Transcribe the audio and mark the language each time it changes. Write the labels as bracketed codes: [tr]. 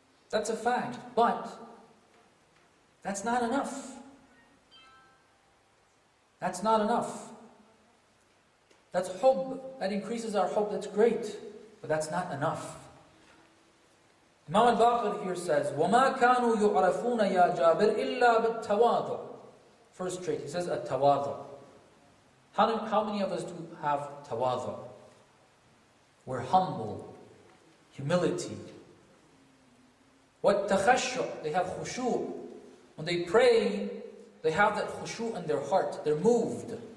[en] That's a fact, but that's not enough. That's not enough. That's hub, that increases our hub, that's great, but that's not enough. Imam al-Baqir here says, [ar] وَمَا كَانُوا يُعْرَفُونَ يَا جَابِرْ إِلَّا بِالتَّوَاضُعُ. [en] First trait, he says, at-tawadhu. How many of us do have tawadhu? We're humble. Humility. Wat-takhashu, they have khushu'. When they pray, they have that khushu' in their heart. They're moved.